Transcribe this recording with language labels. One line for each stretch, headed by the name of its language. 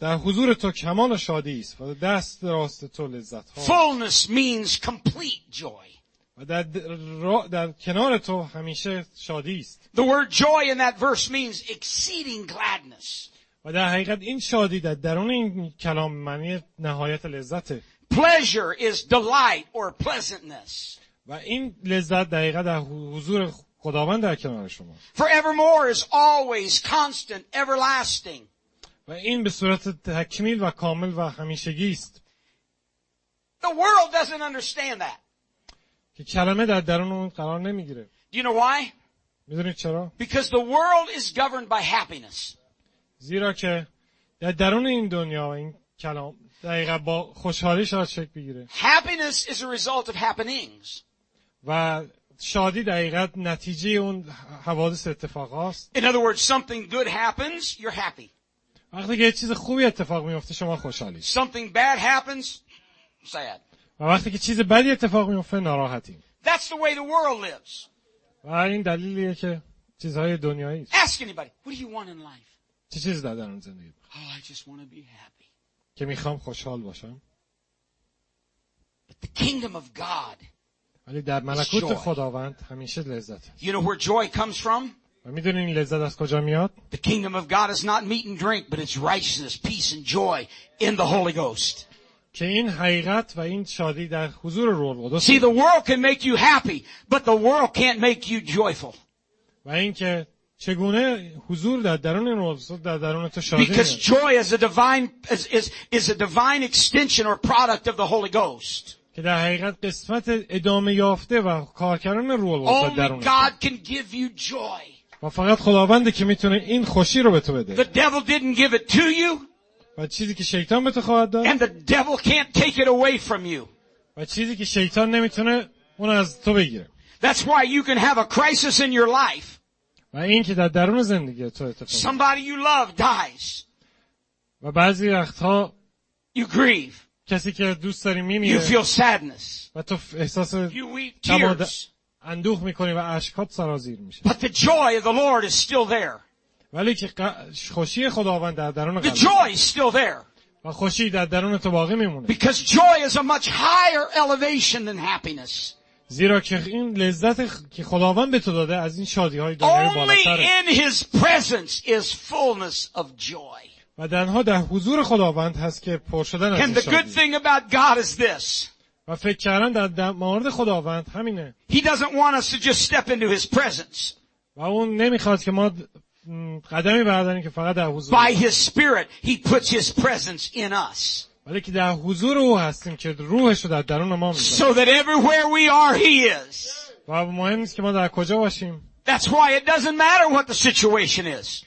Persian: در حضور تو کمال شادی است و دست راست تو لذت ها.
English: Fullness means complete joy.
Persian: و در کنار تو همیشه شادی است.
English: The word joy in that verse means exceeding gladness.
Persian: و در حقیقت این شادی در درون این کلام معنی نهایت لذته.
English: Pleasure is delight or pleasantness.
Persian: و این لذت دقیقاً در حضور خداوند در کنار شما.
English: Forevermore is always, constant, everlasting.
Persian: و این به صورت تکمیل و کامل و همیشگی است.
English: The world doesn't understand that.
Persian: که کلمه در درون اون قرار نمیگیره.
English: Do you know why?
Persian: میدونید چرا؟
English: Because the world is governed by happiness.
Persian: زیرا که در درون این دنیا و این کلام دقیقا با خوشحالی شاد شکل بگیره.
English: Happiness is a result of happenings.
Persian: و شادی دقیقا نتیجه اون حوادث اتفاق هاست.
English: In other words, something good happens, you're happy.
Persian: وقتی که چیز خوبی اتفاق میفته شما خوشحالی.
English: Something bad happens, sad.
Persian: و وقتی که چیز بدی اتفاق میفته ناراحتی.
English: That's the way the world lives.
Persian: و این دلیلیه که چیزهای دنیایی.
English: Ask anybody, what do you want in life?
Persian: چه چیز در اون زندگی؟
English: Oh, I just want to be happy.
Persian: که میخوام خوشحال باشم.
English: But the kingdom of God.
Persian: ولی در ملکوت خداوند همیشه لذت.
English: You know where joy comes from?
Persian: و میدونی این لذت از کجا میاد؟
English: The kingdom of God is not meat and drink, but it's righteousness, peace and joy in the Holy Ghost.
Persian: که این حقیقت و این شادی در حضور روح القدس.
English: See, the world can make you happy, but the world can't make you joyful.
Persian: و اینکه چگونه حضور در درون این روح القدس در درون تو شادی میاره.
English: Because joy is a divine is a divine extension or product of the Holy Ghost.
Persian: که در حقیقت قسمت ادامه یافته و کارکردن روح القدس درونت.
English: Only God can give you joy.
Persian: و فقط خداونده که میتونه این خوشی رو به تو بده.
English: The devil didn't give it to you.
Persian: و چیزی که شیطان به تو خواهد داد.
English: And the devil can't take it away from you.
Persian: و چیزی که شیطان نمیتونه اون از تو بگیره.
English: That's why you can have a crisis in your life.
Persian: و این که در درون زندگی تو اتفاق.
English: Somebody you love dies.
Persian: و بعضی وقتها
English: you grieve.
Persian: کسی که دوست داری میمیره.
English: You feel sadness.
Persian: و تو احساس
English: you weep tears.
Persian: اندوخ میکنی و اشکات سرازیر میشه.
English: But the joy of the Lord is still there.
Persian: ولی که خوشی خداوند در درون قلب.
English: The joy is still there.
Persian: و خوشی در درون تو باقی میمونه.
English: Because joy is a much higher elevation than happiness.
Persian: زیرا که این لذت که خداوند به تو داده از این شادی های دنیای بالاتره.
English: Only in his presence is fullness of joy.
Persian: و تنها در حضور خداوند هست که پر شدن از شادی.
English: And the good thing about God is this.
Persian: و فکر کردن در مورد خداوند همینه.
English: He doesn't want us to just step into his presence.
Persian: و اون نمیخواد که ما قدمی برداریم که فقط در حضور.
English: By his spirit he puts his presence in us.
Persian: ولی که در حضور او هستیم که روحش رو در درون ما میذاره.
English: So that everywhere we are he is.
Persian: و مهم نیست که ما در کجا باشیم.
English: That's why it doesn't matter what the situation is.